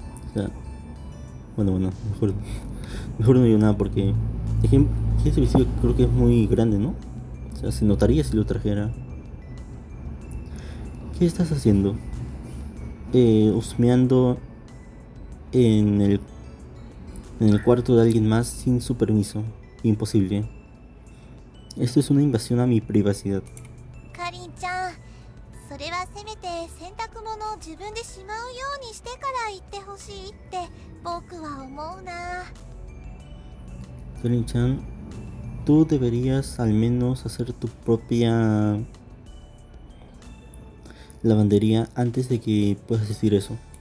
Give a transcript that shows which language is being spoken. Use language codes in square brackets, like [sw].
[es] O sea, bueno, mejor no digo nada porque ese vestido creo que es muy grande, ¿no? O sea, se notaría si lo trajera. ¿Qué estás haciendo? husmeando en el cuarto de alguien más sin su permiso. Imposible. Esto es una invasión a mi privacidad. [ja] Karin-chan, それはせめて洗濯物を自分でしまうようにしてから言ってほしいって僕は思うな。 [es] Karin-chan, tú deberías al menos hacer tu propia lavandería antes de que puedas decir eso.